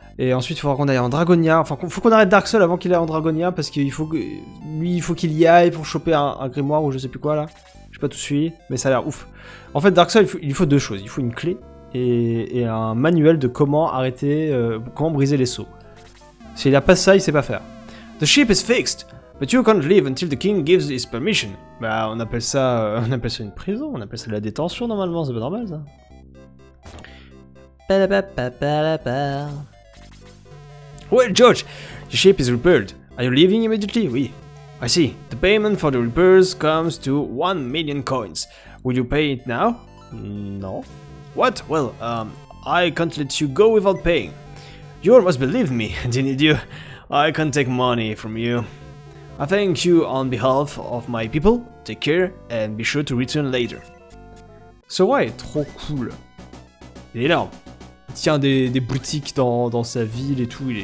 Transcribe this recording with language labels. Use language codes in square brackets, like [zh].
[fr] Et ensuite, il faudra qu'on aille en Dragonia. Enfin, il faut qu'on arrête Dark Souls avant qu'il aille en Dragonia, parce qu'il faut que, lui, il faut qu'il y aille pour choper un grimoire ou je sais plus quoi, là. Je sais pas tout suivi, mais ça a l'air ouf. En fait, Dark Souls, il faut deux choses. Il faut une clé et un manuel de comment arrêter, comment briser les sceaux. S'il n'a pas ça, il sait pas faire. [en] The ship is fixed, but you can't leave until the king gives his permission. [fr] Bah, on appelle ça une prison. On appelle ça de la détention, normalement. C'est pas normal, ça. Ba-da-ba-ba-ba-ba-ba. [en] Well, George, the ship is repaired. Are you leaving immediately? Oui. I see. The payment for the repairs comes to 1,000,000 coins. Will you pay it now? No. What? Well, I can't let you go without paying. You almost believed me, didn't you? I can't take money from you. I thank you on behalf of my people. Take care and be sure to return later. [fr] Ce roi est trop cool. Il est énorme. Il tient des boutiques dans sa ville et tout.